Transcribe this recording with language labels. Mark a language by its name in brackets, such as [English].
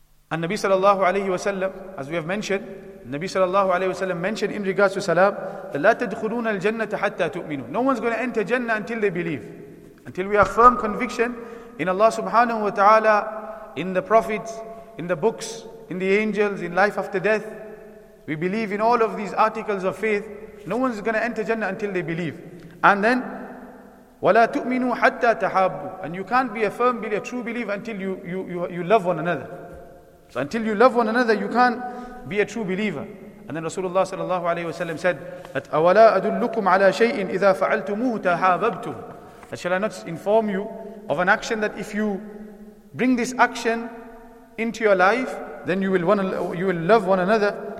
[English] And Nabi sallallahu alayhi wa sallam, as we have mentioned, Nabi sallallahu alayhi wa sallam mentioned in regards to salam, that [Arabic] لا تدخلون الجنة حتى تؤمنوا. [English] No one's going to enter Jannah until they believe. Until we have firm conviction in Allah subhanahu wa ta'ala, in the prophets, in the books, in the angels, in life after death. We believe in all of these articles of faith. No one's going to enter Jannah until they believe. And then, [Arabic] وَلَا تُؤْمِنُوا حَتَّى تَحَابُوا. [English] And you can't be a firm believer, a true believer, until you love one another. So until you love one another, you can't be a true believer. And then Rasulullah sallallahu alayhi wa sallam said, that [Arabic] أَوَلَا أَدُلُّكُمْ عَلَىٰ شَيْءٍ إِذَا فَعَلْتُمُوهُ تَحَابَبْتُمْ. [English] That shall I not inform you of an action that if you bring this action into your life, then you will love one another.